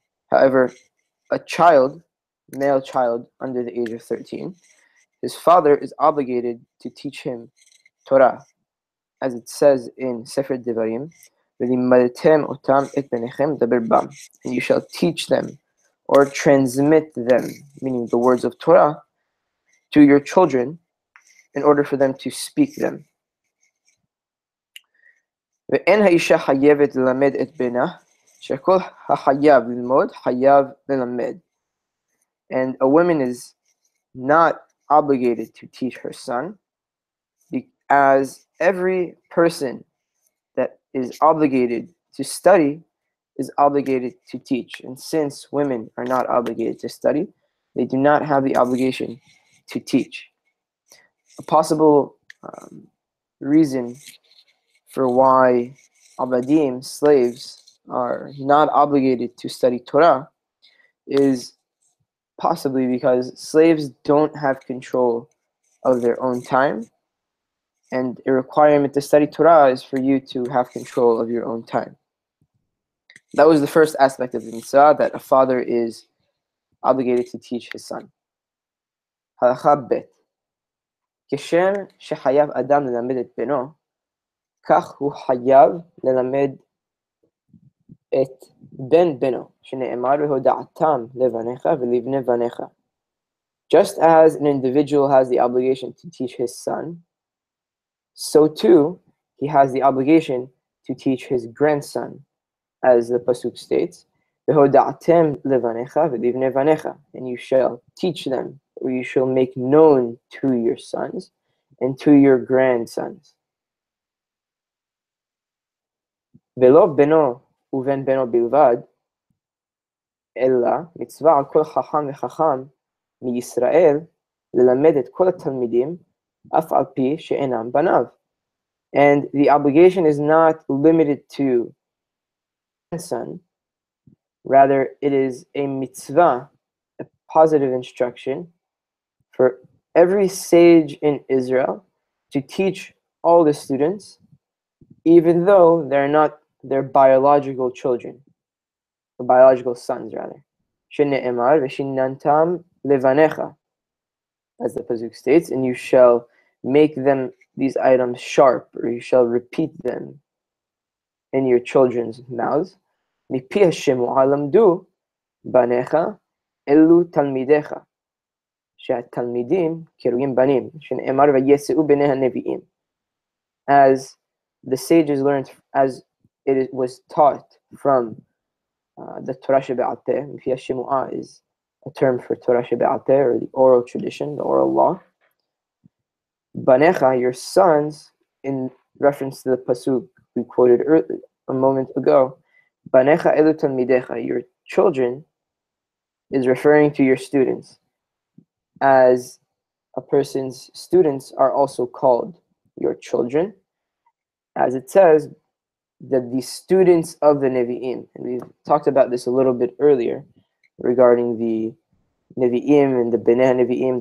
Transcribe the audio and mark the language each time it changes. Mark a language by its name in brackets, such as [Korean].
[English] However, a child, male child under the age of 13, his father is obligated to teach him Torah, as it says in Sefer Devarim, and you shall teach them or transmit them, meaning the words of Torah, to your children in order for them to speak them. [Hebrew] ואין האישה חייבת ללמד את בנה, שכל החייב ללמוד, חייב ללמד. [English] And a woman is not obligated to teach her son, as every person that is obligated to study is obligated to teach. And since women are not obligated to study, they do not have the obligation to teach. A possible reason for why avadim, slaves, are not obligated to study Torah is possibly because slaves don't have control of their own time, and a requirement to study Torah is for you to have control of your own time. That was the first aspect of the mitzvah, that a father is obligated to teach his son. Halacha bet. [Hebrew] Kishem shehayav adam lelamed et beno, כך הוא חייב ללמד את בן בנו, שנאמר והודעתם לבניך ולבני בניך. [English] Just as an individual has the obligation to teach his son, so too he has the obligation to teach his grandson, as the Pasuk states, [Hebrew] והודעתם לבניך ולבני בניך, [English] and you shall teach them, or you shall make known to your sons and to your grandsons. [Hebrew] ולא בנו ובן בנו בלבד, אלא מצווה על כל חכם וחכם מישראל ללמד את כל התלמידים אף על פי שאינם בניו. [English] And the obligation is not limited to grandson, rather it is a mitzvah, a positive instruction for every sage in Israel to teach all the students, even though they're not their biological children, or biological sons, rather. [Hebrew] שנאמר, ושננתם לבניך, [English] as the Pazuk states, and you shall make them, these items, sharp, or you shall repeat them in your children's mouths. [Hebrew] מפי השמוע למדו בניך אלו תלמידיך, שהתלמידים קרויים בנים, שנאמר ויסעו בני הנביאים. [English] As the sages learned, as it was taught from the Torah Sheba'al Peh, [Hebrew] מפי השמוע [English] is a term for Torah Sheba'al Peh, or the oral tradition, the oral law. Banecha, your sons, in reference to the pasuk we quoted early, a moment ago, [Hebrew] Banecha elu talmidecha, [English] your children, is referring to your students, as a person's students are also called your children, as it says that the students of the Nevi'im, and we talked about this a little bit earlier regarding the Nevi'im and the Bnei Nevi'im.